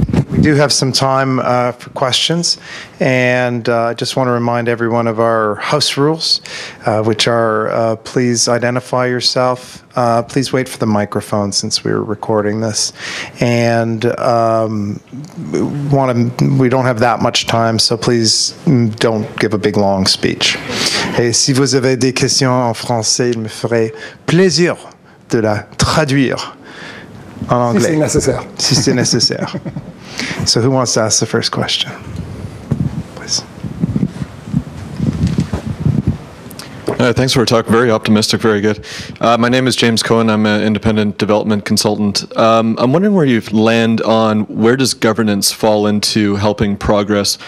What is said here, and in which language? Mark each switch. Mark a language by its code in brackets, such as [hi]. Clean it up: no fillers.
[en] We do have some time for questions, and I just want to remind everyone of our house rules, which are please identify yourself, please wait for the microphone since we were recording this, and we don't have that much time, so please don't give a big long speech. [fr] Et si vous avez des questions en français, il me ferait plaisir de la traduire en anglais. Si c'est nécessaire. Si c'est nécessaire. [en] So who wants to ask the first question? Please. Thanks for the talk. Very optimistic, very good. My name is James Cohen. I'm an independent development consultant. I'm wondering where you land on where does governance fall into helping progress?